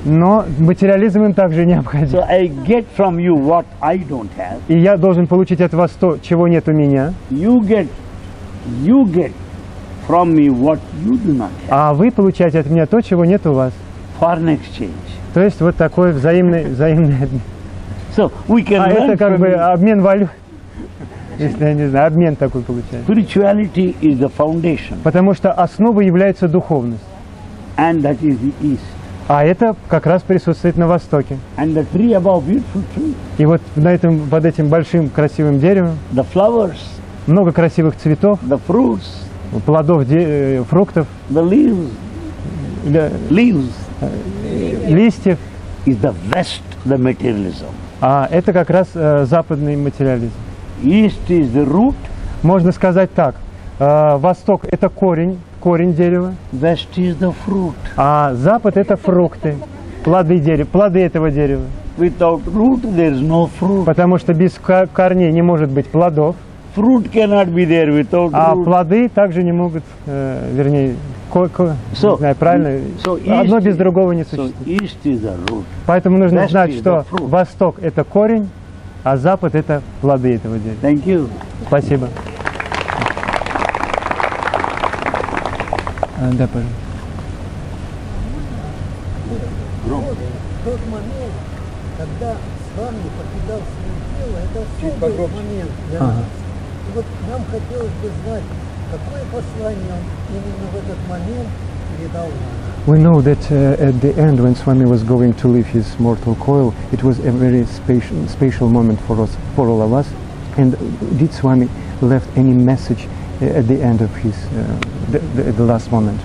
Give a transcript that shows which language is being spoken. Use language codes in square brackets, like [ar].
[ru] Но материализм им также необходим. [en] So I get from you what I don't have. [ru] И я должен получить от вас то, чего нет у меня. [en] You get from me what you do not have. [ru] А вы получаете от меня то, чего нет у вас. [en] Foreign exchange. [ru] То есть вот такой взаимный обмен. [en] So we can [ru] learn. А это как бы обмен валют. Если я не знаю, обмен такой получается. [en] Spirituality is the foundation. [ru] Потому что основой является духовность. [en] And that is the East. [ru] А это как раз присутствует на Востоке. [en] And the tree above beautiful tree. [ru] И вот на этом, под этим большим красивым деревом. [en] The flowers. [ru] Много красивых цветов. [en] The fruits. [ru] Плодов, фруктов. [en] The leaves. Leaves. [ru] Листьев. [en] Is the West, the materialism. [ru] А это как раз западный материализм. [en] East is the root. [ru] Можно сказать так. Восток – это корень дерева. [en] West is the fruit. [ru] А запад – это фрукты, плоды этого дерева. [en] Without root, there is no fruit. [ru] Потому что без корней не может быть плодов. [en] Fruit cannot be there without root. [ru] А плоды также не могут, не знаю, правильно, [en] so [ru] одно без другого не существует. [en] So east is the root. [ru] Поэтому нужно West знать, что восток – это корень, а запад – это плоды этого дерева. [en] Thank you. [ru] Спасибо. Да, пожалуйста. Тот момент, когда с вами покидал свое тело, это особый момент для нас. И вот нам хотелось бы знать, какое послание он именно в этот момент передал нам. [en] We know that at the end, when Swami was going to leave his mortal coil, it was a very special moment for us, for all of us. And did Swami left any message at the end of his the last moment?